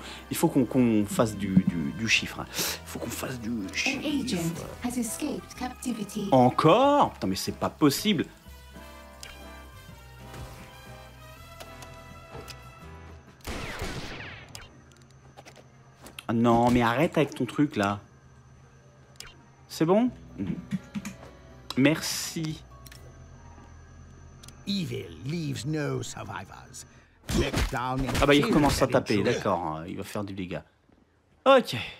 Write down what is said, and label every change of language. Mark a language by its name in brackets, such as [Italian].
[French] Il faut qu'on fasse du chiffre. Hein. Il faut qu'on fasse du chiffre. [English] An agent has escaped captivity. [French] Encore? Putain mais c'est pas possible. Non, mais arrête avec ton truc, là. C'est bon? Merci. [English] Evil leaves no survivors. [French] Ah bah, il recommence à taper, d'accord. Hein, il va faire du dégât. Ok.